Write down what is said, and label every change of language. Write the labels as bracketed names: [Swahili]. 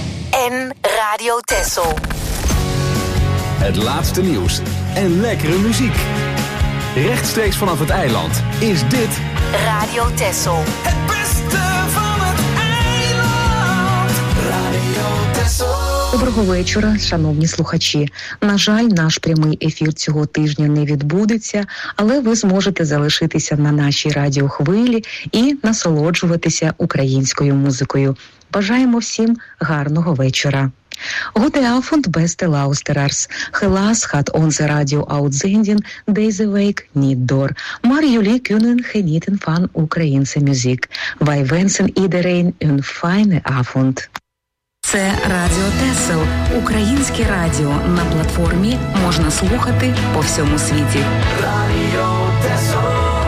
[Dutch] En Radio Texel. Het laatste nieuws en lekkere muziek. Rechtstreeks vanaf het eiland is dit Radio Texel. Het beste van het eiland. Radio Texel. [Ukrainian] Доброго вечора, шановні слухачі. На жаль, наш прямий ефір цього тижня не відбудеться, але ви зможете залишитися на нашій радіохвилі і насолоджуватися українською музикою. Бажаємо всім гарного вечора. [Dutch] Gute Abend, beste Lausterers. Helaas gaat onze radio uitzending deze week niet door. Maar jullie kunnen genieten van Oekraïense muziek. Wij wensen iedereen een fijne avond. [Ukrainian] Це Радіо Тесел, українське радіо. На платформі можна слухати по всьому світі. Радіо Тесел.